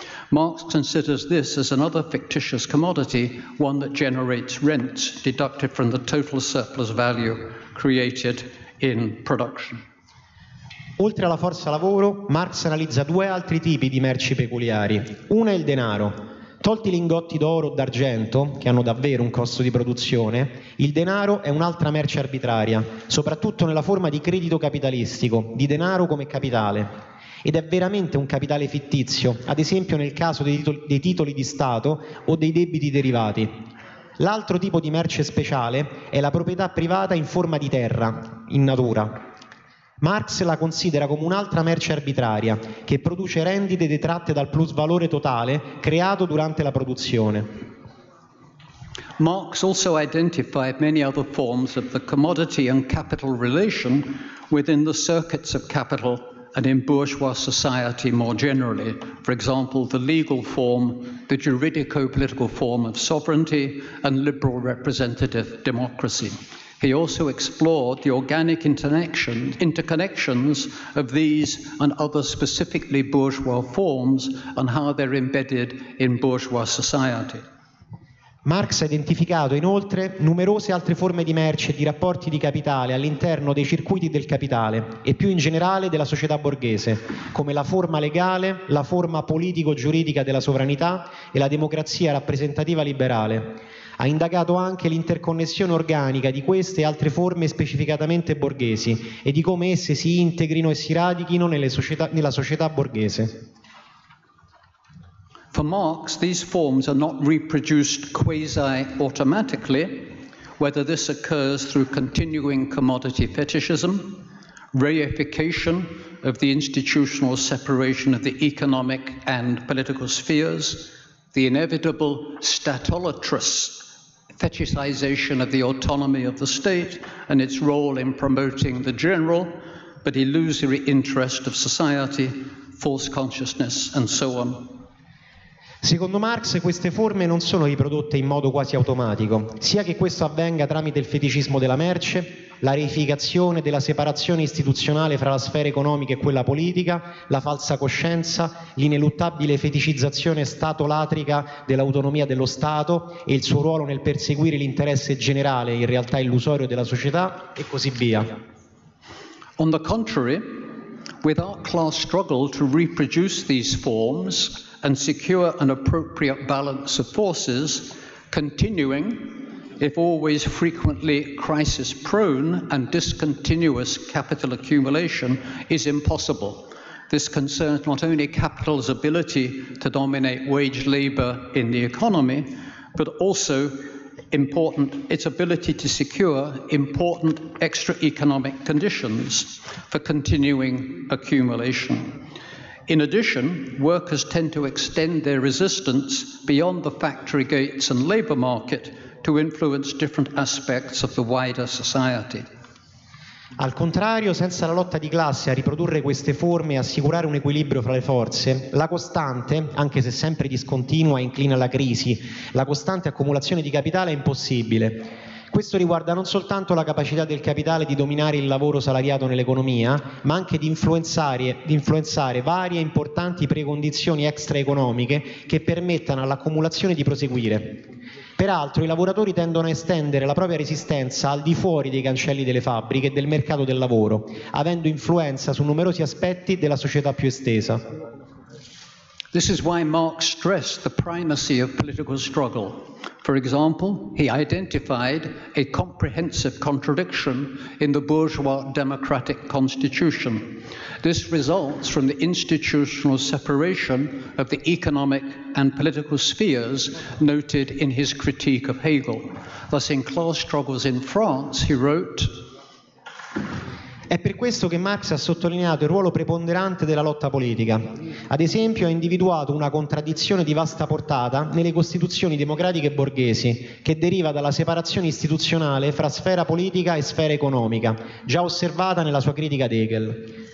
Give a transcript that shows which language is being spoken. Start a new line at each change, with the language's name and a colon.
English: Marx considers this as another fictitious commodity, one that generates rent deducted from the total surplus value created in production.
Italian: Oltre alla forza lavoro, Marx analizza due altri tipi di merci peculiari. Una è il denaro. Tolti i lingotti d'oro o d'argento, che hanno davvero un costo di produzione, il denaro è un'altra merce arbitraria, soprattutto nella forma di credito capitalistico, di denaro come capitale. Ed è veramente un capitale fittizio, ad esempio nel caso dei titoli di Stato o dei debiti derivati. L'altro tipo di merce speciale è la proprietà privata in forma di terra, in natura. Marx la considera come un'altra merce arbitraria, che produce rendite detratte dal plusvalore totale creato durante la produzione.
English: Marx also identified many other forms of the commodity and capital relation within the circuits of capital and in bourgeois society more generally. For example, the legal form, the juridico-political form of sovereignty and liberal representative democracy. He also explored the organic interconnections of these and other specifically bourgeois forms and how they're embedded in bourgeois society.
Italian: Marx ha identificato inoltre numerose altre forme di merce e di rapporti di capitale all'interno dei circuiti del capitale e più in generale della società borghese, come la forma legale, la forma politico-giuridica della sovranità e la democrazia rappresentativa liberale. Ha indagato anche l'interconnessione organica di queste e altre forme specificatamente borghesi e di come esse si integrino e si radichino nella società borghese.
English: For Marx, these forms are not reproduced quasi-automatically, whether this occurs through continuing commodity fetishism, reification of the institutional separation of the economic and political spheres, the inevitable statolatrous fetishization of the autonomy of the state and its role in promoting the general but illusory interest of society, false consciousness, and so on.
Italian: Secondo Marx, queste forme non sono riprodotte in modo quasi automatico, sia che questo avvenga tramite il feticismo della merce, la reificazione della separazione istituzionale fra la sfera economica e quella politica, la falsa coscienza, l'ineluttabile feticizzazione statolatrica dell'autonomia dello Stato e il suo ruolo nel perseguire l'interesse generale, in realtà illusorio, della società, e così via.
English: On the contrary, without class struggle to reproduce these forms and secure an appropriate balance of forces, continuing, if always frequently crisis-prone and discontinuous capital accumulation is impossible. This concerns not only capital's ability to dominate wage labor in the economy, but also important its ability to secure important extra-economic conditions for continuing accumulation. In addition, workers tend to extend their resistance beyond the factory gates and labor market to influence different aspects of the wider society.
Italian: Al contrario, senza la lotta di classe a riprodurre queste forme e assicurare un equilibrio fra le forze, la costante, anche se sempre discontinua, inclina alla crisi, la costante accumulazione di capitale è impossibile. Questo riguarda non soltanto la capacità del capitale di dominare il lavoro salariato nell'economia, ma anche di influenzare varie importanti precondizioni extraeconomiche che permettano all'accumulazione di proseguire. Peraltro, i lavoratori tendono a estendere la propria resistenza al di fuori dei cancelli delle fabbriche e del mercato del lavoro, avendo influenza su numerosi aspetti della società più estesa.
English: This is why Marx stressed the primacy of political struggle. For example, he identified a comprehensive contradiction in the bourgeois democratic constitution. This results from the institutional separation of the economic and political spheres noted in his critique of Hegel. Thus, in class struggles in France, he wrote,
Italian: è per questo che Marx ha sottolineato il ruolo preponderante della lotta politica. Ad esempio, ha individuato una contraddizione di vasta portata nelle costituzioni democratiche borghesi, che deriva dalla separazione istituzionale fra sfera politica e sfera economica, già osservata nella sua critica ad Hegel.